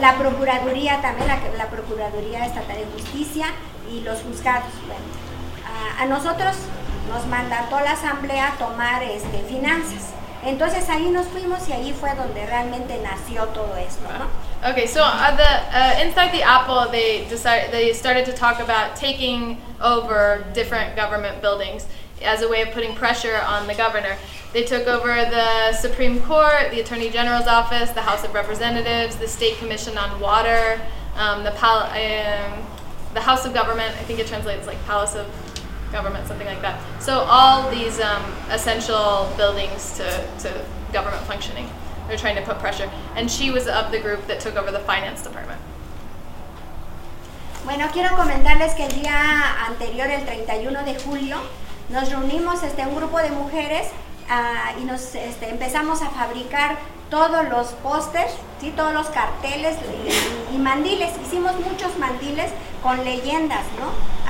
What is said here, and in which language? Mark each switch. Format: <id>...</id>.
<es>La Procuraduría también, la Procuraduría Estatal de Justicia y los juzgados. A nosotros nos mandató la Asamblea a tomar finanzas. Entonces ahí nos fuimos y ahí fue donde realmente nació todo esto, ¿no?</es> <en>Okay, so at the inside the Apple, they started to talk about taking over different government buildings as a way of putting pressure on the governor. They took over the Supreme Court, the Attorney General's Office, the House of Representatives, the State Commission on Water, the House of Government. I think it translates like Palace of Government, something like that. So all these essential buildings to government functioning. They're trying to put pressure, and she was of the group that took over the finance department.</en> <es>Bueno, quiero comentarles que el día anterior, el 31 de julio, nos reunimos un grupo de mujeres y nos empezamos a fabricar todos los pósters, sí, todos los carteles y mandiles. Hicimos muchos mandiles con leyendas, ¿no?</es>